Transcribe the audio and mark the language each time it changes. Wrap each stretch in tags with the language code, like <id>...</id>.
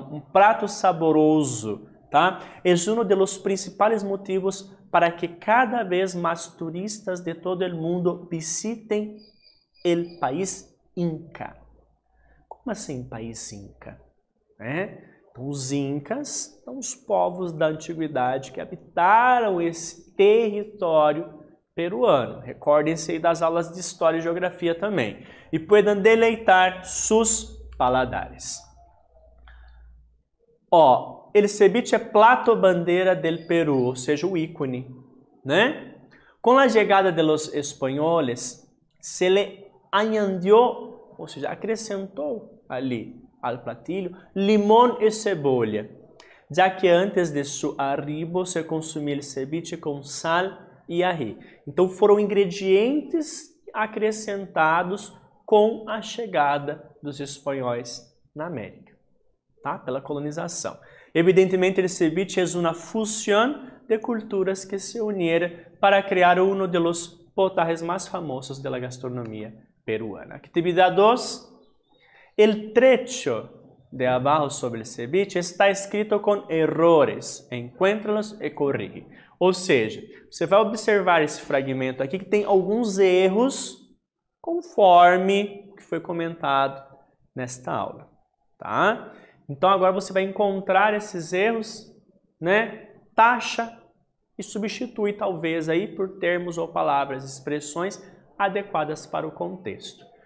<pt>Um prato saboroso, tá? É um dos principais motivos para que cada vez mais turistas de todo o mundo visitem o país Inca. Como assim país Inca? Os Incas são os povos da antiguidade que habitaram esse território peruano. Recordem-se aí das aulas de história e geografia também.</pt> <es>E puedan deleitar sus paladares. Ó, el ceviche é plato bandeira del Peru,</es> <pt>ou seja, o ícone, né? Com a chegada</pt> <es>de los españoles, se le añadió,</es> <pt>ou seja, acrescentou ali ao platillo, limão e cebola, já que antes de seu arribo se consumia o ceviche com sal e ají. Então foram ingredientes acrescentados com a chegada dos espanhóis na América, tá? Pela colonização. Evidentemente, o ceviche é uma fusão de culturas que se uniram para criar um dos potajes mais famosos da gastronomia peruana.</pt> <es>peruana. Actividad 2. El trecho de abajo sobre el ceviche está escrito con errores. Encuéntralos y corrige.</es> <pt>Ou seja, você vai observar esse fragmento aqui que tem alguns erros conforme o que foi comentado nesta aula, tá? Então agora você vai encontrar esses erros, né? Taxa e substitui talvez aí por termos ou palavras, expressões adequadas para o contexto.</pt>